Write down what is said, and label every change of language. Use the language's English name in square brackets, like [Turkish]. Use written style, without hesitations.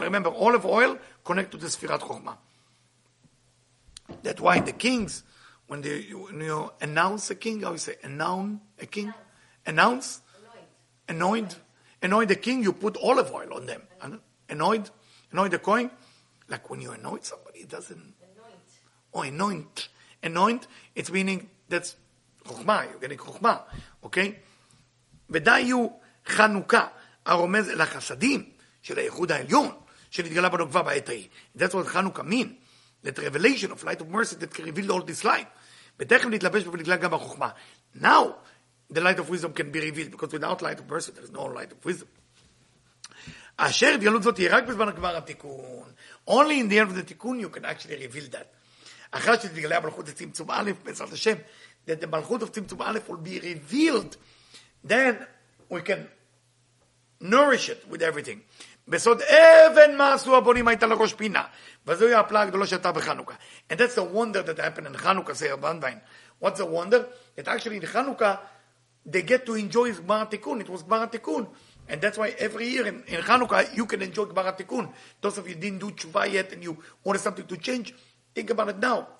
[English] Remember, olive oil connect to the sefirat chokhma. That's why the kings, when you announce a king, how you say, announce a king? Announce? Anoint. Anoint the king, you put olive oil on them. Anoint. Anoint the coin. Like when you anoint somebody, it doesn't... Anoint. Anoint, it's meaning, that's chokhmah, you're getting chokhmah. Okay? [Hebrew] ודאיו חנוכה, הרומז אל החסדים של היחוד העליון, שנתגלה בנוגבה בעת ההיא. [English] That's what חנוכה mean. That revelation of light of mercy that can reveal all this light. [Hebrew] ותכף נתלבש ונתגלה גם החוכמה. [English] Now, the light of wisdom can be revealed, because without light of mercy, there is no light of wisdom. [Hebrew] אשר התגלות זאת היא רק בזמן הגמר התיקון. [English] Only in the end of the תיקון, you can actually reveal that. [Hebrew] אחר שתגלה המלכות הצמצום א', בעזרת השם, [English] that the מלכות of צמצום א' will be revealed, then we can nourish it with everything. [Hebrew] בסוד אבן מה עשו הבונים הייתה לראש פינה, וזו היא הפלאה הגדולה שאתה בחנוכה. [English] And that's the wonder that happened in חנוכה, say Rabbanvain. What's the wonder? That actually in חנוכה, they get to enjoy Gmar HaTikun. It was Gmar HaTikun. And that's why every year in Hanukkah, you can enjoy Gmar HaTikun. Those of you didn't do Tshuva yet and you wanted something to change, think about it now.